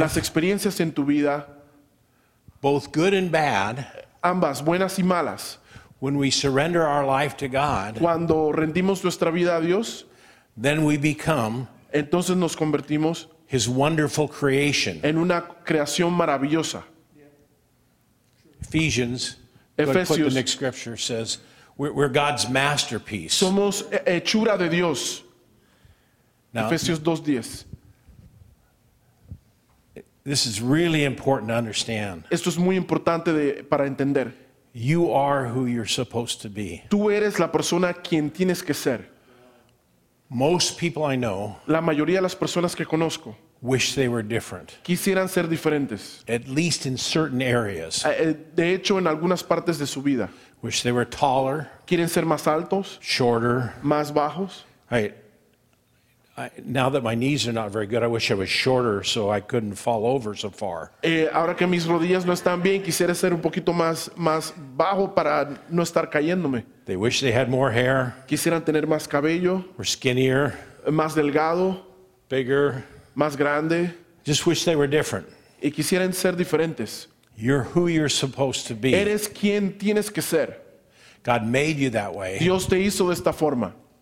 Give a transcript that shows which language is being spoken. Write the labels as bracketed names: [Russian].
[Spanish] Las experiencias en tu vida. [English] Both good and bad. [Spanish] Ambas, buenas y malas. [English] When we surrender our life to God. [Spanish] Cuando rendimos nuestra vida a Dios. [English] Then we become. [Spanish] Entonces nos convertimos. [English] His wonderful creation. [Spanish] En una creación maravillosa. [English] Ephesians. [Spanish] Efesios. [English] Put the next scripture says. We're God's masterpiece. [Spanish] Somos hechura de Dios. [English] Now, [Spanish] Efesios 2:10. [English] This is really important to understand. [Spanish] Esto es muy importante para entender. [English] You are who you're supposed to be. [Spanish] Tú eres la persona quien tienes que ser. [English] Most people I know, [Spanish] la mayoría de las personas que conozco, [English] wish they were different. [Spanish] Quisieran ser diferentes. [English] At least in certain areas. [Spanish] De hecho, en algunas partes de su vida. [English] Wish they were taller. [Spanish] Quieren ser más altos. [English] Shorter. [Spanish] Más bajos. [English] Right. Now that my knees are not very good, I wish I was shorter so I couldn't fall over so far. [Spanish] Ahora que mis rodillas no están bien, quisiera ser un poquito más bajo para no estar cayéndome. [English] They wish they had more hair. [Spanish] Quisieran tener más cabello. [English] Were skinnier. [Spanish] Más delgado. [English] Bigger. [Spanish] Más grande. [English] Just wish they were different. [Spanish] Y quisieran ser diferentes. [English] You're who you're supposed to be. [Spanish] Eres quien tienes que ser. [English] God made you that way. [Spanish] Dios te hizo de esta forma.